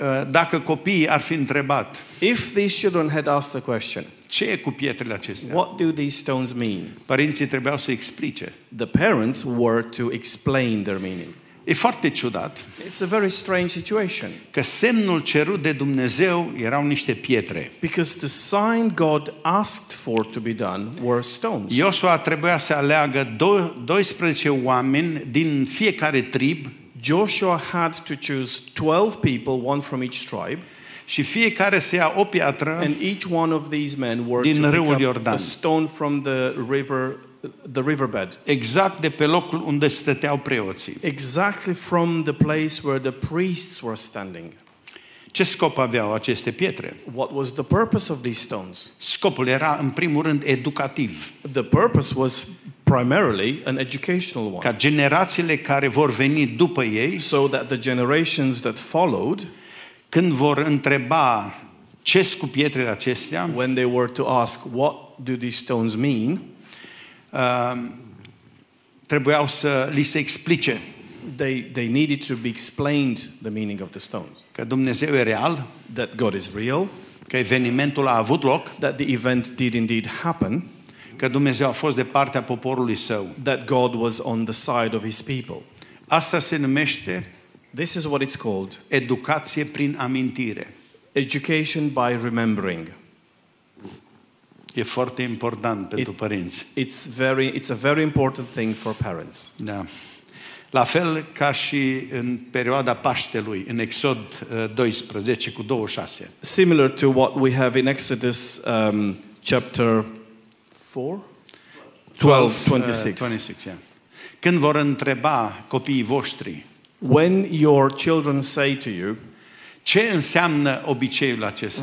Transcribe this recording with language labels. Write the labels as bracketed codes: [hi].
[ro] Dacă copiii ar fi întrebat, [en] if these children had asked a question, [ro] ce e cu pietrele acestea? [en] What do these stones mean? [ro] Părinții trebuiau să explice. [en] The parents were to explain their meaning. [ro] E foarte ciudat. [en] It's a very strange situation. [ro] Că semnul cerut de Dumnezeu erau niște pietre. [en] Because the sign God asked for to be done were stones. [ro] Iosua trebuia să aleagă 12 oameni din fiecare trib. [en] Joshua had to choose 12 people, one from each tribe, [ro] și fiecare să ia o piatră, [en] and each one of these men were [ro] din [en] to [ro] râul Iordan, [en] a stone from the river the riverbed. [ro] Exact de pe locul unde stăteau preoții. [en] Exactly from the place where the priests were standing. [ro] Ce scop aveau aceste pietre? [en] What was the purpose of these stones? [ro] Scopul era în primul rând educativ. [en] The purpose was primarily an educational one. [ro] Ca generațiile care vor veni după ei, [en] so that the generations that followed, [ro] când vor întreba ce scop pietrele acestea, [en] when they were to ask what do these stones mean, [ro] trebuiau să li se explice. [en] They needed to be explained the meaning of the stones. [ro] Că Dumnezeu e real, [en] that God is real, [ro] că evenimentul a avut loc, [en] that the event did indeed happen, [ro] că Dumnezeu a fost de partea poporului său, [en] that God was on the side of his people. [ro] Asta se numește, [en] this is what it's called, [ro] educație prin amintire. [en] Education by remembering. [ro] E foarte important pentru părinți. [en] It's a very important thing for parents. [ro] Da. La fel ca și în perioada Paștelui, în Exod 12 cu 26. [en] Similar to what we have in Exodus chapter 4? 12:26. Yeah. [ro] Când vor întreba copiii voștri, [en] when your children say to you, [ro] ce înseamnă obiceiul acesta?